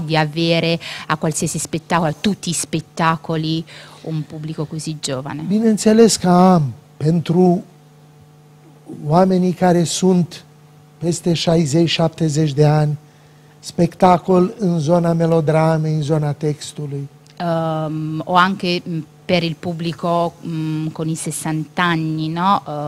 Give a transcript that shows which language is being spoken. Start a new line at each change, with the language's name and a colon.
Italian: Di avere a qualsiasi spettacolo, a tutti i spettacoli, un pubblico così giovane.
Romanian: Bineînțeles că am, pentru oamenii care sunt peste 60-70 de ani, spectacol în zona melodramei, în zona textului.
Italian: O anche per il pubblico con i 60 anni, no?